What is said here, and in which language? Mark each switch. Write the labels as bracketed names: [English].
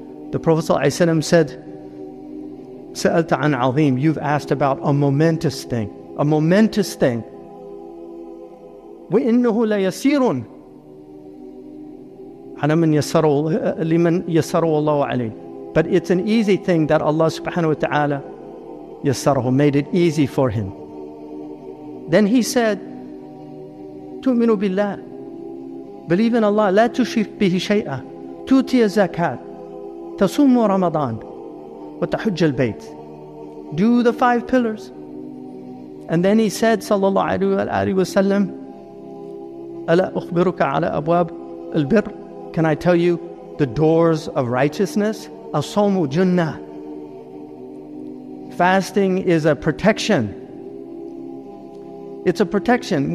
[English] The Prophet said, Sa'alta an azim, you've asked about a momentous thing, a momentous thing. [Arabic] وَإِنَّهُ لَيَسِيرٌ عَلَى مَنْ يَسَّرَهُ اللَّهُ عَلَيْهِ. [English] But it's an easy thing that Allah subhanahu wa ta'ala يَسَّرَهُ, made it easy for him. Then he said, [Arabic] تُؤْمِنُ بِاللَّهِ, [English] believe in Allah, [Arabic] لَا تُشْرِكْ بِهِ شَيْئًا, تُؤْتِي الزَّكَاةَ, تَصُومُ رَمَضَانَ, وَتَحُجَّ الْبَيْتَ. [English] Do the five pillars. And then he said, sallallahu alayhi wa sallam, [Arabic] أَلَا أُخْبِرُكَ عَلَىٰ أَبْوَابِ الْبِرِّ. [English] Can I tell you the doors of righteousness? [Arabic] أَصَوْمُ جُنَّةِ. [English] Fasting is a protection. It's a protection.